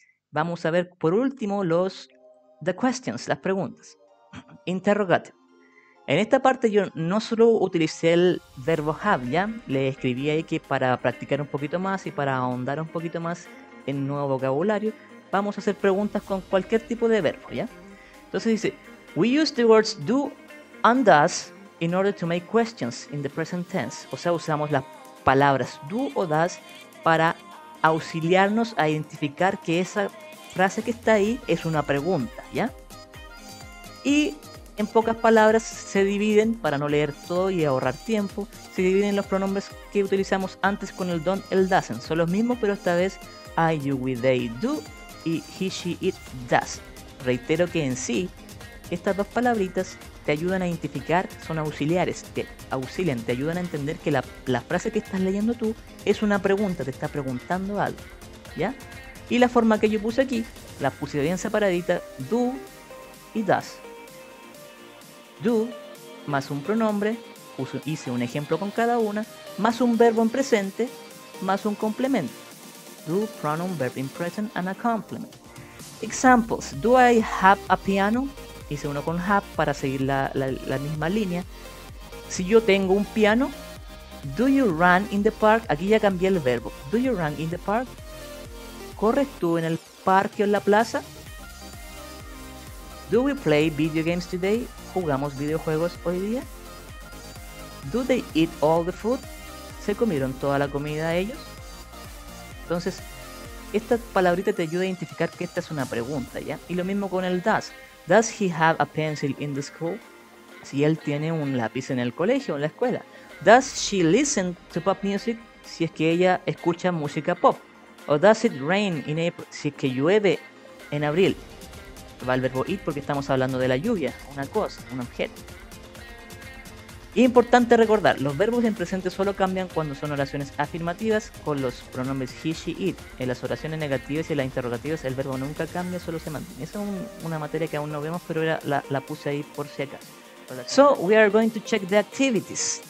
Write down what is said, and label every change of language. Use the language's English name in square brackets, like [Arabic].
[Spanish] Vamos a ver por último los [English] the questions, [Spanish] las preguntas. Interrogate. En esta parte yo no solo utilicé el verbo have, ¿ya? Le escribí ahí que para practicar un poquito más y para ahondar un poquito más en nuevo vocabulario, vamos a hacer preguntas con cualquier tipo de verbo, ¿ya? Entonces dice, [English] we use the words do and does in order to make questions in the present tense. [Spanish] O sea, usamos las palabras do o does para auxiliarnos a identificar que esa frase que está ahí es una pregunta, ¿ya? Y En pocas palabras, se dividen, para no leer todo y ahorrar tiempo, se dividen los pronombres que utilizamos antes con el don't, el doesn't. Son los mismos, pero esta vez I, you, we, they, do y he, she, it, does. Reitero que en sí, estas dos palabritas te ayudan a identificar, son auxiliares, te auxilian, te ayudan a entender que la frase que estás leyendo tú es una pregunta, te está preguntando algo, ¿ya? Y la forma que yo puse aquí, la puse bien separadita, do y does. Do, más un pronombre, hice un ejemplo con cada una, más un verbo en presente, más un complemento. [English] Do, pronoun, verb in present, and a complement. Examples, do I have a piano? [Spanish] Hice uno con have para seguir la misma línea. Si yo tengo un piano, [English] do you run in the park? [Spanish] Aquí ya cambié el verbo. [English] Do you run in the park? [Spanish] ¿Corres tú en el parque o en la plaza? [English] Do we play video games today? [Spanish] ¿Jugamos videojuegos hoy día? [English] Do they eat all the food? [Spanish] ¿Se comieron toda la comida ellos? Entonces, esta palabrita te ayuda a identificar que esta es una pregunta, ¿ya? Y lo mismo con el does. [English] Does he have a pencil in the school? [Spanish] Si él tiene un lápiz en el colegio o en la escuela. [English] Does she listen to pop music? [Spanish] Si es que ella escucha música pop. O [English] does it rain in April? [Spanish] Si es que llueve en abril. Va el verbo it porque estamos hablando de la lluvia. Una cosa, un objeto. Importante recordar, los verbos en presente solo cambian cuando son oraciones afirmativas con los pronombres he, she, it. En las oraciones negativas y en las interrogativas el verbo nunca cambia, solo se mantiene. Esa es una materia que aún no vemos, pero era la puse ahí por si acaso. [English] So, we are going to check the activities.